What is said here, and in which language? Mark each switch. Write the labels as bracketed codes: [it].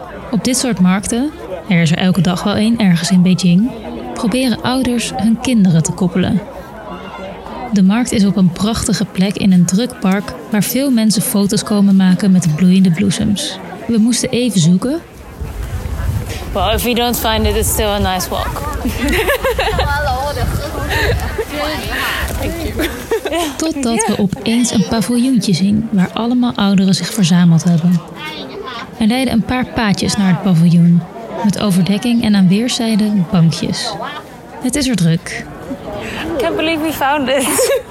[nl] Op dit soort markten, er is er elke dag wel één ergens in Beijing, proberen ouders hun kinderen te koppelen. De markt is op een prachtige plek in een druk park waar veel mensen foto's komen maken met de bloeiende bloesems. We moesten even zoeken. [en] Well, if you don't find it, it's still a nice walk. [nl] Totdat we opeens een paviljoentje zien waar allemaal ouderen zich verzameld hebben. Er leiden een paar paadjes naar het paviljoen, met overdekking en aan weerszijden bankjes. Het is er druk. [en] I can't believe we found this.